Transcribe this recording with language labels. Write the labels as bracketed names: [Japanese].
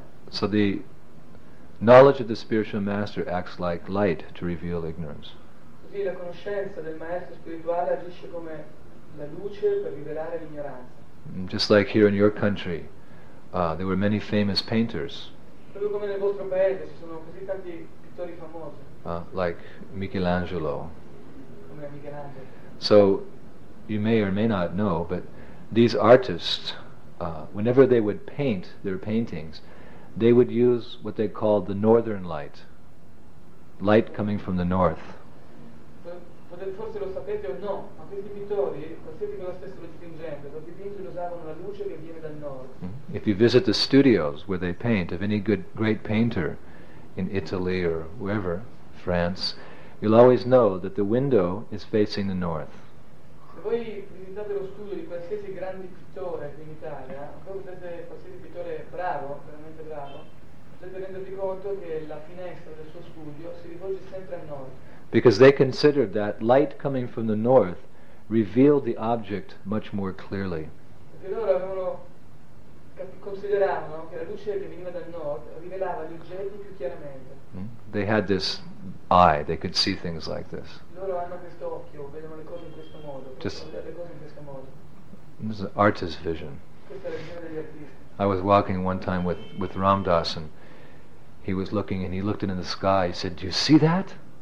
[English] So the knowledge of the spiritual master acts like light to reveal ignorance. [Italian] Così la conoscenza del maestro spirituale agisce come la luce per rivelare l'ignoranza. [English] Just like here in your country, there were many famous painters. [Italian] Proprio come nel vostro paese ci sono così tanti pittori famosi. [English] Like Michelangelo. [Italian] Come Michelangelo. [English] So you may or may not know, but these artists, whenever they would paint their paintings, they would use what they called the northern light, light coming from the north. [Italian] Forse lo sapete o no, ma questi pittori, qualsiasi cosa stessero dipingendo, lo dipingono usavano la luce che viene dal nord. [English] If you visit the studios where they paint, of any good great painter in Italy or wherever, France, you'll always know that the window is facing the north. [Italian] Se voi visitate lo studio di qualsiasi grande pittore qui in Italia, voi potete, qualsiasi pittore bravo, veramente bravo, potete rendervi conto accorto che la finestra del suo studio si rivolge sempre a nord. [English] Because they considered that light coming from the north revealed the object much more clearly. [Italian] Perché loro avevano consideravano che la luce che veniva dal nord rivelava gli oggetti più chiaramente. [English] They had this eye, they could see things like this. [Italian] Loro hanno questo occhio, vedono le cose in questo modo. [English] Just [Italian] le cose in questo modo. [English] This is an artist's vision. [Italian] Questa è la visione degli artisti. [English] I was walking one time with Ram Dass, and he was looking and he looked in the sky. He said, "Do you see that?"